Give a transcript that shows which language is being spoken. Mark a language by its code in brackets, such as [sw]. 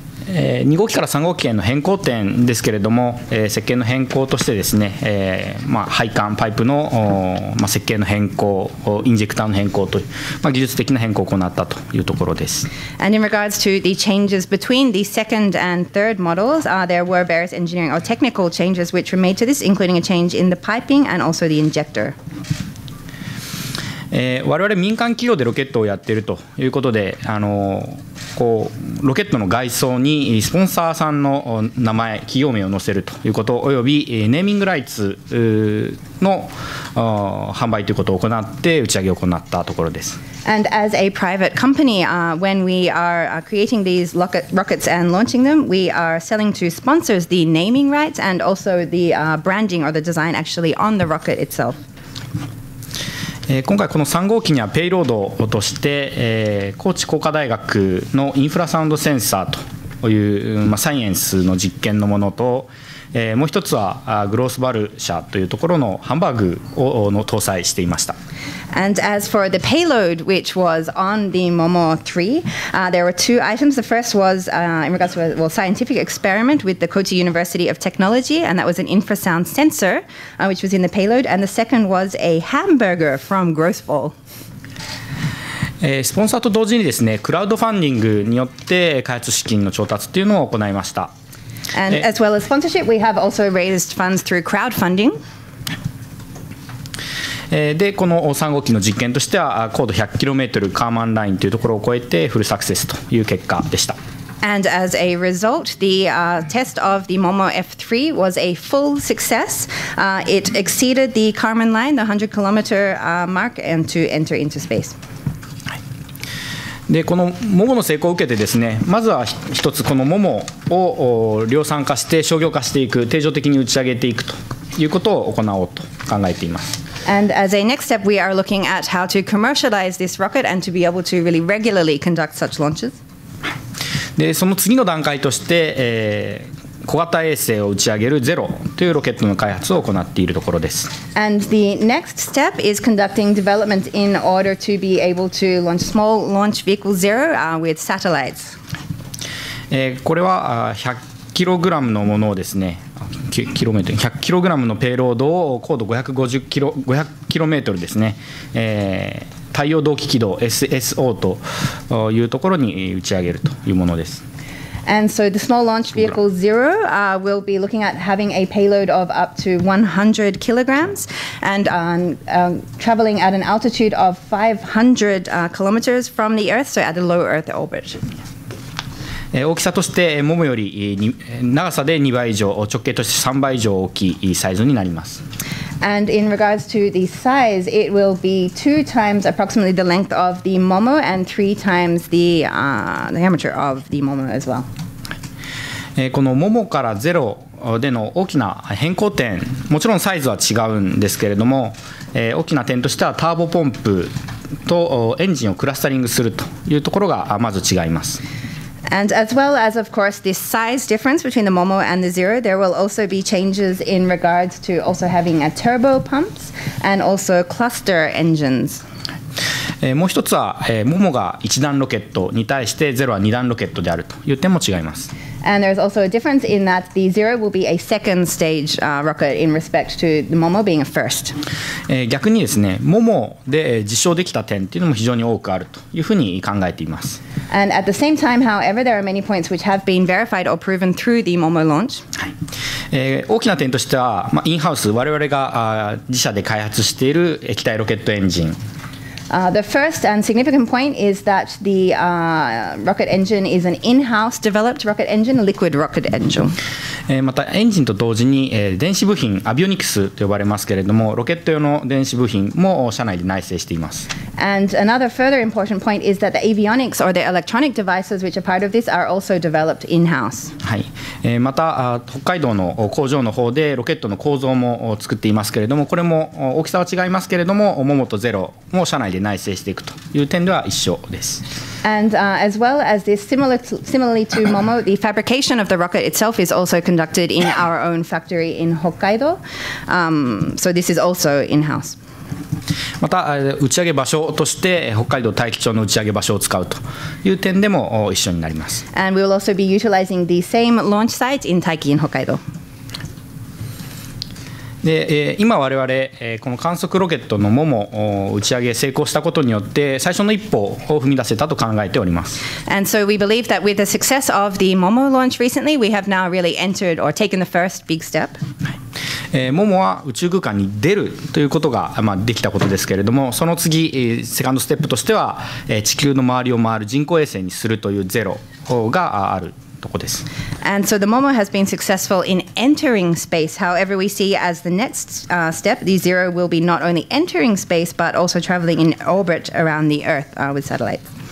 [ja] 2号機から3号機への変更点ですけれども、設計の変更としてですね、まあ、配管パイプの、まあ、設計の変更、インジェクターの変更という、まあ、技術的な変更を行ったというところです。 [en] And in regards to the changes between the second and third models, there were various engineering or technical changes which were made to this, including a change in the piping and also the injector. [ja] 我々民間企業でロケットをやっているということで、こうロケットの外装にスポンサーさんの名前、企業名を載せるということおよびネーミングライツの販売ということを行って打ち上げを行ったところです。 [en] And as a private company, when we are creating these rockets and launching them, we are selling to sponsors the naming rights and also the branding or the design actually on the rocket itself. [ja] 今回この3号機にはペイロードとして、高知工科大学のインフラサウンドセンサーという、まあ、サイエンスの実験のものと、もう一つはグロースバル社というところのハンバーグをの搭載していました。 [en] And as for the payload which was on the Momo 3, there were two items. The first was in regards to a well, scientific experiment with the Kochi University of Technology, and that was an infrasound sensor which was in the payload. And the second was a hamburger from Grossball. [ja] スポンサーと同時にですね、クラウドファンディングによって開発資金の調達というのを行いました。 [en] And as well as sponsorship, we have also raised funds through crowdfunding. [ja] でこの3号機の実験としては高度 100km カーマンラインというところを超えてフルサクセスという結果でした。 [en] And as a result, the test of the Momo F3 was a full success. It exceeded the Kármán line, the 100km mark, and to enter into space. [ja] でこのモモの成功を受けてですね、まずは一つこのモモを量産化して商業化していく、定常的に打ち上げていくということを行おうと考えています。 [en] And as a next step, we are looking at how to commercialize this rocket and to be able to really regularly conduct such launches. [ja] で、その次の段階として、小型衛星を打ち上げるゼロというロケットの開発を行っているところです。 [en] And the next step is conducting development in order to be able to launch small launch vehicle zero with satellites. [ja] これは100kgのものをですね、100kgのペイロードを高度550キロ、500キロメートルですね、太陽同期軌道 SSO というところに打ち上げるというものです。 [en] And so the small launch vehicle Zero will be looking at having a payload of up to 100 kilograms and traveling at an altitude of 500 kilometers from the Earth, so at a low Earth orbit. [ja] 大きさとしてモモより長さで2倍以上、直径として3倍以上大きいサイズになります。 [en] And in regards to the size, it will be two times approximately the length of the Momo and three times the diameter of the Momo as well. [ja] このMomoからゼロでの大きな変更点、もちろんサイズは違うんですけれども、大きな点としてはターボポンプとエンジンをクラスタリングするというところがまず違います。 [en] And as well as, of course, the size difference between the Momo and the Zero, there will also be changes in regards to also having a turbo pumps and also cluster engines. [ja] もう一つは、Momo が一段ロケットに対してゼロは二段ロケットであるという点も違います。 [en] And there's also a difference in that the Zero will be a second stage rocket in respect to the Momo being a first. [ja] 逆にですね、Momo で実証できた点っていうのも非常に多くあるというふうに考えています。 [en] And at the same time, however, there are many points which have been verified or proven through the Momo launch. [ja] 大きな点としては、まあ、インハウス、我々が自社で開発している液体ロケットエンジン。 [en] The first and significant point is that the rocket engine is an in-house developed rocket engine, liquid rocket engine. [ja] またエンジンと同時に電子部品、アビオニクスと呼ばれますけれども、ロケット用の電子部品も社内で内製しています。 [en] And another further important point is that the avionics or the electronic devices which are part of this are also developed in-house. [ja] はい。また北海道の工場の方でロケットの構造も作っていますけれども、これも大きさは違いますけれども、Momoとゼロも社内で内製していくという点では一緒です。 [en] And as well as this, similarly to Momo, the fabrication of the rocket itself is also conducted in our own factory in Hokkaido. So this is also in-house. [ja] また打ち上げ場所として北海道大樹町の打ち上げ場所を使うという点でも一緒になります。 [en] And we will also be utilizing the same launch site in Taiki in Hokkaido. [ja] で今我々この観測ロケットのモモ打ち上げ成功したことによって最初の一歩を踏み出せたと考えております。 [en] And so we believe that with the success of the Momo launch recently, we have now really entered or taken the first big step. [ja] モモは宇宙空間に出るということが、まあ、できたことですけれども、その次セカンドステップとしては地球の周りを回る人工衛星にするというゼロがある。 [en] And so the Momo has been successful in entering space. However, we see as the next step, the Zero will be not only entering space, but also traveling in orbit around the Earth with satellites.